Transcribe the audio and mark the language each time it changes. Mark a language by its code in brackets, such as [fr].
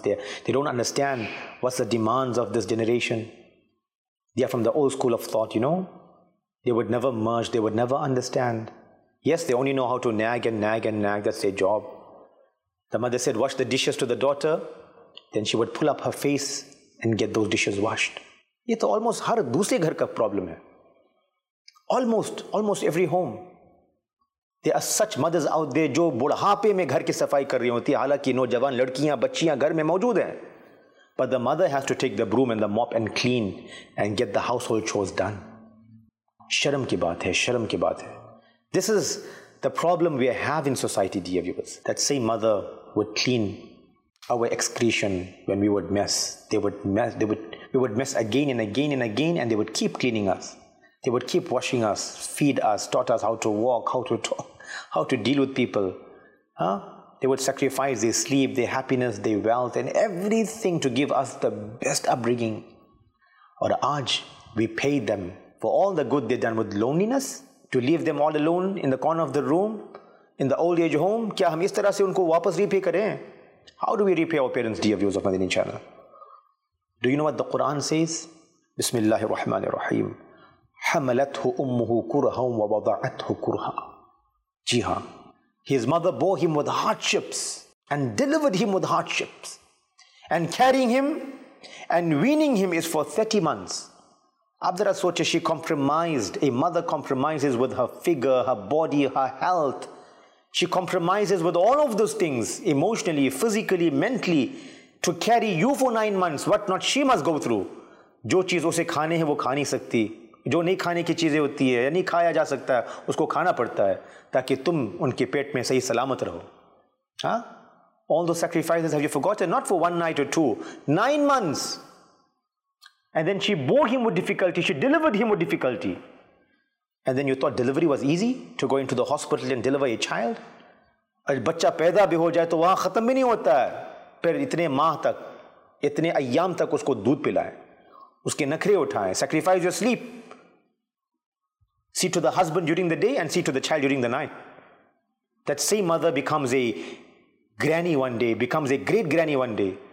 [en] They don't understand what's the demands of this generation. They are from the old school of thought, you know. They would never merge. They would never understand. Yes, they only know how to nag and nag and nag. That's their job. The mother said, wash the dishes to the daughter. Then she would pull up her face and get those dishes washed. [ur] یہ تو almost ہر دوسرے گھر کا problem ہے. [en] Almost every home. There are such mothers out there [ur] جو بڑھاپے میں گھر کی صفائی کر رہی ہوتی ہیں حالانکہ نوجوان لڑکیاں بچیاں گھر میں موجود ہیں. [en] But the mother has to take the broom and the mop and clean and get the household chores done. [ur] شرم کی بات ہے, شرم کی بات ہے. [en] This is the problem we have in society, dear viewers. That same mother would clean our excretion when we would mess. We would mess again and again and they would keep cleaning us. They would keep washing us, feed us, taught us how to walk, how to talk, how to deal with people. Huh? They would sacrifice their sleep, their happiness, their wealth and everything to give us the best upbringing. [ur] Aur aaj [en] we pay them for all the good they've done with loneliness, to leave them all alone in the corner of the room, in the old age home. [ur] Kya hum is tarah se unko wapas repay kare? [en] How do we repay our parents, dear viewers of Madini Channel? Do you know what the Quran says? [ar] Bismillahir Rahmanir Rahim. حَمَلَتْهُ أُمُّهُ كُرْهًا وَوَضَعَتْهُ كُرْهًا. [ur] جی ہاں, [en] his mother bore him with hardships and delivered him with hardships and carrying him and weaning him is for 30 months. [ur] اب ذرا سوچے, [en] she compromised, a mother compromises with her figure, her body, her health. She compromises with all of those things, emotionally, physically, mentally, to carry you for 9 months, what not she must go through. [ur] جو چیز اسے کھانے ہیں وہ کھا نہیں سکتی, جو نہیں کھانے کی چیزیں ہوتی ہے یا نہیں کھایا جا سکتا ہے اس کو کھانا پڑتا ہے تاکہ تم ان کے پیٹ میں صحیح سلامت رہو. [en] ہاں, all those sacrifices have you forgotten? Not for one night or two, 9 months. And then she bore him with difficulty, she delivered him with difficulty. And then you thought delivery was easy, to go into the hospital and deliver a child? [ur] اور بچہ پیدا بھی ہو جائے تو وہاں ختم بھی نہیں ہوتا ہے, پھر اتنے ماہ تک, اتنے ایام تک اس کو دودھ پلائیں, اس کے نکھرے اٹھائیں, [en] sacrifice your sleep, see to the husband during the day and see to the child during the night. That same mother becomes a granny one day, becomes a great granny one day.